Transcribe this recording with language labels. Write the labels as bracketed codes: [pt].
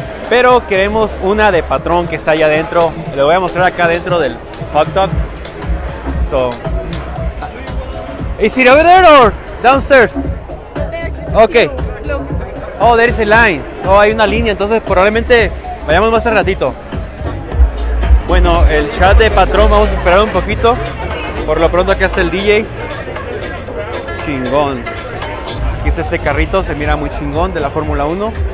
[es] Pero queremos una de patrón que está allá adentro. Le voy a mostrar acá adentro del hot dog. [en] So, is it over there or downstairs? Okay. Oh, there is a line. [es] Oh, hay una línea, entonces probablemente vayamos más al ratito. Bueno, el chat de patrón, vamos a esperar un poquito. Por lo pronto acá está el DJ. Chingón. Aquí está ese carrito, se mira muy chingón, de la Fórmula 1.